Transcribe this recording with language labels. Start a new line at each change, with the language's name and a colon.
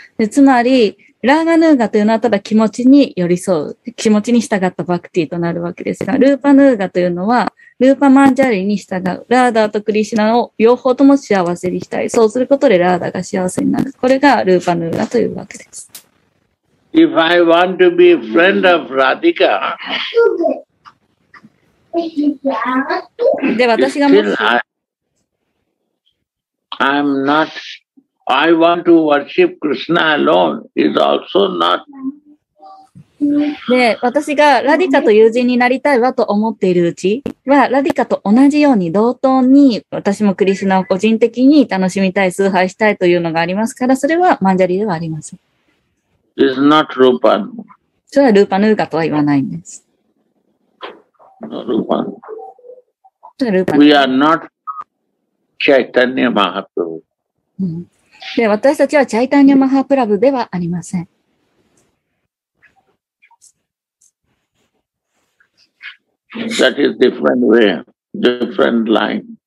Japanese: で、つまり、ラーガヌーガというのはただ気持ちに寄り添う、気持ちに従ったバクティとなるわけですが、ルーパヌーガというのは、ルーパマンジャリに従う、ラーダーとクリシナを両方とも幸せにしたい。そうすることでラーダーが幸せになる。これがルーパヌーガというわけです。
English: If I want to be a friend of Radhika,
Japanese: で、私がもし、
English: I'm not, I want to worship Krishna alone is also not.
Japanese: で、私がラディカと友人になりたいわと思っているうちは、ラディカと同じように同等に私もクリシュナを個人的に楽しみたい、崇拝したいというのがありますから、それはマンジャリではありません。
English: It's not Rupa.
Japanese: それはルーパヌーガとは言わないんです。
English: Rupa. We are not. Chaitanya Mahaprabhu.
Japanese: で、私たちはチャイタンニャマハプラブではありません。
English: That is different way, different line.